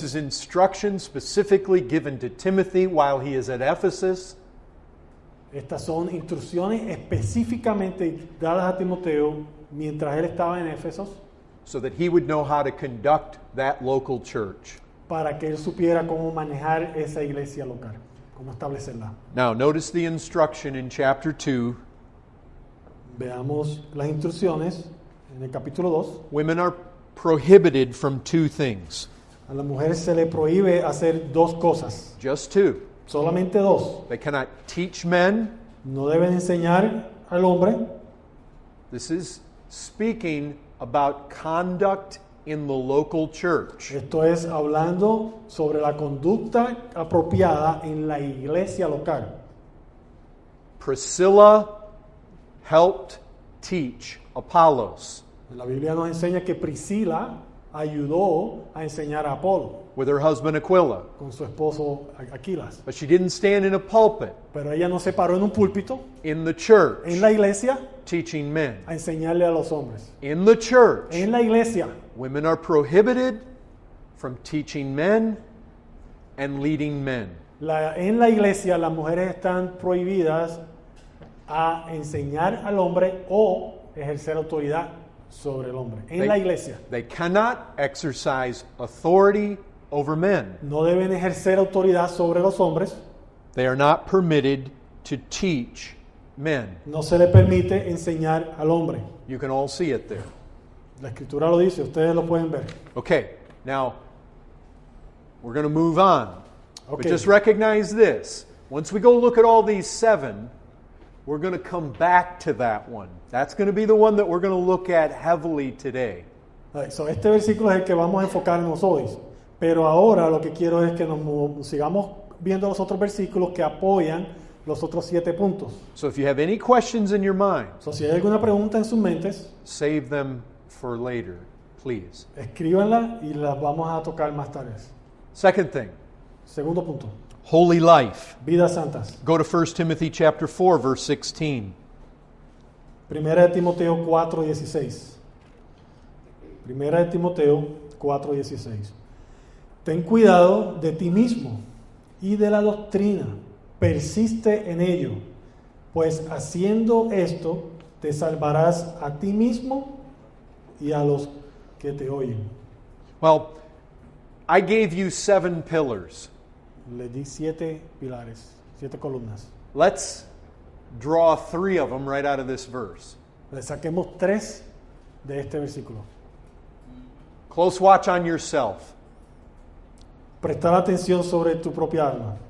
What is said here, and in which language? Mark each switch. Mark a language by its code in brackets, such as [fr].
[en] This is instruction specifically given to Timothy while he is at Ephesus. [es] Estas son instrucciones específicamente dadas a Timoteo mientras él estaba en Éfeso. [en] So that he would know how to conduct that local church. [es] Para que él supiera cómo manejar esa iglesia local, cómo establecerla. [en] Now, notice the instruction in chapter 2. [es] Veamos las instrucciones en el capítulo 2. [en] Women are prohibited from two things. [es] A la mujer se le prohíbe hacer dos cosas. [en] Just two. [es] Solamente dos. [en] They cannot teach men. [es] No deben enseñar al hombre. [en] This is speaking about conduct in the local church. [es] Esto es hablando sobre la conducta apropiada en la iglesia local. [en] Priscilla helped teach Apollos. [es] La Biblia nos enseña que Priscilla ayudó a enseñar a Apolo. [en] With her husband Aquila. [es] Con su esposo Aquilas. [en] But she didn't stand in a pulpit. [es] Pero ella no se paró en un púlpito. [en] In the church. [es] En la iglesia. [en] Teaching men. [es] A enseñarle a los hombres. [en] In the church. [es] En la iglesia. [en] Women are prohibited from teaching men and leading men. [es] En la iglesia las mujeres están prohibidas a enseñar al hombre o ejercer autoridad sobre el hombre. En la iglesia. [en] They cannot exercise authority over men. [es] No deben ejercer autoridad sobre los hombres. [en] They are not permitted to teach men. [es] No se le permite enseñar al hombre. [en] You can all see it there. [es] La escritura lo dice, ustedes lo pueden ver. [en] Okay, now we're going to move on. Okay. But just recognize this. Once we go look at all these seven, we're going to come back to that one. That's going to be the one that we're going to look at heavily today. Right, so [es] este versículo es el que vamos a enfocarnos hoy. Pero ahora lo que quiero es que nos sigamos viendo los otros versículos que apoyan los otros siete puntos. [en] So if you have any questions in your mind, [es] so si hay alguna pregunta en sus mentes, [en] save them for later, please. [es] Escríbanla y las vamos a tocar más tarde. [en] Second thing. [es] Segundo punto. [en] Holy life. [es] Vidas santas. [en] Go to 1 Timothy chapter 4, verse 16. [es] Primera de Timoteo 4, 16. Primera de Timoteo 4, 16. Ten cuidado de ti mismo y de la doctrina. Persiste en ello, pues haciendo esto, te salvarás a ti mismo y a los que te oyen. [en] Well, I gave you seven pillars. [es] Le di siete pilares, siete columnas. [en] Let's draw three of them right out of this verse. [es] Le saquemos tres de este versículo. [en] Close watch on yourself. [es] Prestar atención sobre tu propia alma.